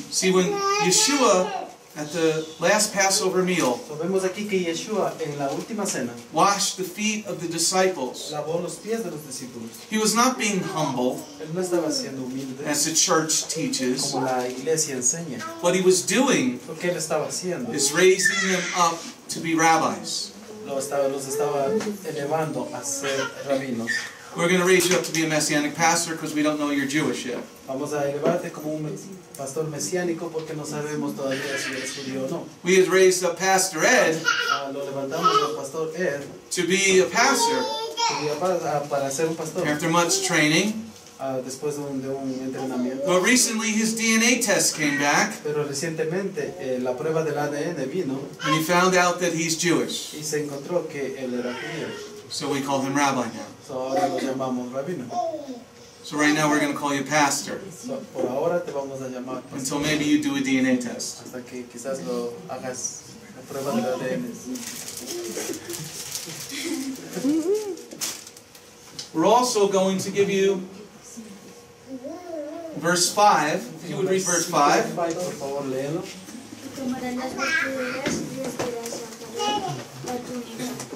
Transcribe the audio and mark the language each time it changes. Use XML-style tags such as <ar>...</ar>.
<en>See, when Yeshua, at the last Passover meal,</en> <es>so vemos aquí que Yeshua, en la última cena,</es> <en>washed the feet of the disciples,</en> <es>lavó los pies de los discípulos.</es> <en>He was not being humble,</en> <es>él no estaba siendo humilde,</es> <en>as the church teaches,</en> <es>como la iglesia enseña.</es> <en>What he was doing,</en> <es>lo que él estaba haciendo,</es> <en>is raising them up to be rabbis.</en> <es>Los estaba elevando a ser rabinos.</es> <en>We're going to raise you up to be a Messianic pastor because we don't know you're Jewish yet.</en> <es>Vamos a elevarte como un pastor mesiánico porque no sabemos todavía si eres judío o no.</es> <en>We have raised up Pastor Ed,</en> <es>lo levantamos al Pastor Ed</es> <en>to be a pastor.</en> <es>Para ser un pastor.</es> <en>After much training.</en> <es>Después de un entrenamiento.</es> <en>But recently his DNA test came back.</en> <es>Pero recientemente la prueba del ADN vino.</es> <en>And he found out that he's Jewish.</en> <es>Y se encontró que él era judío.</es> <en>So we call him rabbi now.</en> <es>So ahora lo llamamos rabino.</es> <en>So right now we're going to call you pastor. So</en> <es>por ahora te vamos a llamar pastor.</es> <en>Until maybe you do a DNA test.</en> <es>Hasta que quizás lo hagas la prueba del ADN.</es> <en>We're also going to give you verse 5. If you would read verse 5.</en> <es>Por favor, léelo. Tomarán las vestiduras y vestirás a tu hijo.</es>